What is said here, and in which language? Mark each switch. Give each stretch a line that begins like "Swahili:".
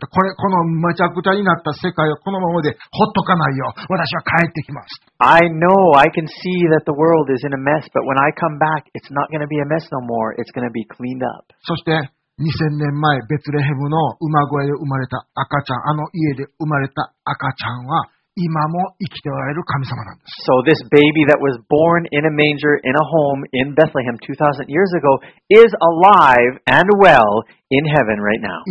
Japanese: これこのめちゃくちゃになった世界をこのままでほっとかないよ。私は帰ってきます。
English: I know I can see that the world is in a mess, but when I come back, it's not going to be a mess no more. It's going to be cleaned up.
Japanese: そして2000年前、ベツレヘムの馬小屋で生まれた赤ちゃん、あの家で生まれた赤ちゃんは今も生きておられる神様なんです。
English: So this baby that was born in a manger in a home in Bethlehem 2000 years ago is alive and well in heaven right now.